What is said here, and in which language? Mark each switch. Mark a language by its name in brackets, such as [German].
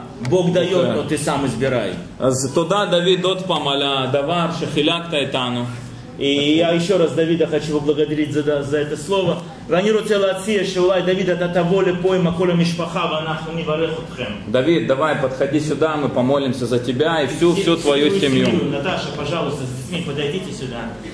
[Russian] Бог дает, но ты сам избирай. [Hebrew] אז תודה דוד עוד פעם על הדבר שחילקת איתנו. [Russian] И я еще раз Давида хочу поблагодарить за это слово. Давид, давай, подходи сюда, мы помолимся за тебя и всю твою семью. Наташа, пожалуйста, с детьми подойдите сюда.